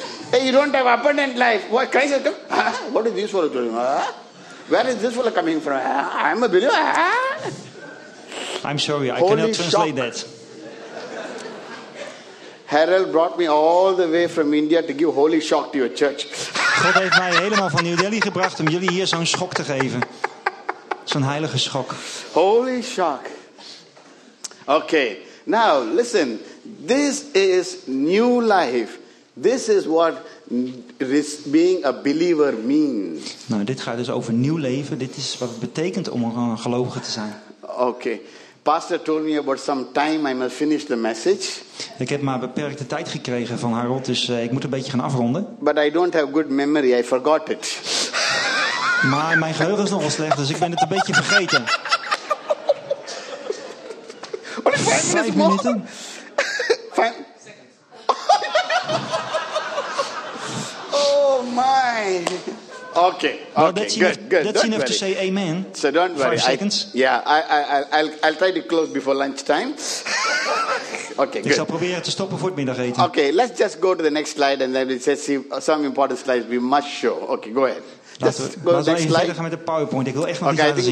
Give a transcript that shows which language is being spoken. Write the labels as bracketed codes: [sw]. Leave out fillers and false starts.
[en] Hey, you don't have abundant life. What Christ has come? Huh? What is this fellow doing? Huh? Where is this fellow coming from? Huh? I'm a believer. Huh? I'm sorry, I holy cannot translate shock. That. Harold brought me all the way from India to give holy shock to your church. [nl] God heeft mij helemaal van New Delhi gebracht om jullie hier zo'n schok te geven. Zo'n heilige schok. [en] Holy shock. Okay, now listen. This is new life. This is what being a believer means. [nl] Nou, dit gaat dus over nieuw leven. Dit is wat het betekent om een gelovige te zijn. [en] Okay. Pastor told me about some time I must finish the message. [nl] Ik heb maar beperkte tijd gekregen van Harold, dus ik moet een beetje gaan afronden. [en] But I don't have good memory, I forgot it. [nl] Maar mijn geheugen is nogal slecht, dus ik ben het een beetje vergeten. [en] What is 5 minuten? Oh my. Okay. Good. That's enough to say amen. So don't worry. 5 seconds. I'll try to close before lunchtime. Okay, [nl] ik zal proberen te stoppen voor het middageten. [en] Okay, let's just go to the next slide and then we just see some important slides we must show. Okay, go ahead. [nl] Laten we gaan met de PowerPoint. Ik wil echt nog iets laten zien.